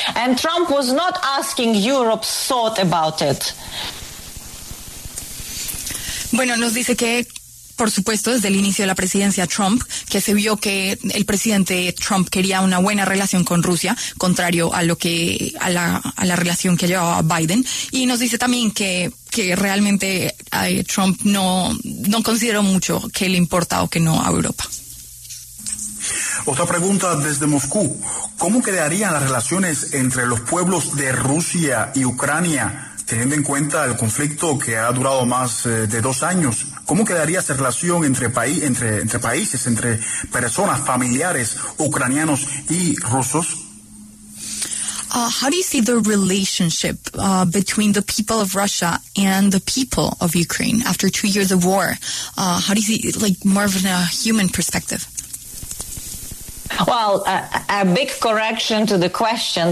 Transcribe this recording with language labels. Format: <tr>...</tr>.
<en>And Trump was not asking Europe's thought about it.</en> <es>Bueno, nos dice que, por supuesto, desde el inicio de la presidencia Trump, que se vio que el presidente Trump quería una buena relación con Rusia, contrario a lo que a la relación que llevaba Biden. Y nos dice también que realmente Trump no consideró mucho que le importa o que no a Europa. Otra pregunta desde Moscú. ¿Cómo quedarían las relaciones entre los pueblos de Rusia y Ucrania teniendo en cuenta el conflicto que ha durado más de 2 años? ¿Cómo quedaría esa relación entre países, entre personas, familiares, ucranianos y rusos?</es> <en>How do you see the relationship between the people of Russia and the people of Ukraine after 2 years of war? How do you see it, like, more of a human perspective? Well, a big correction to the question.</en>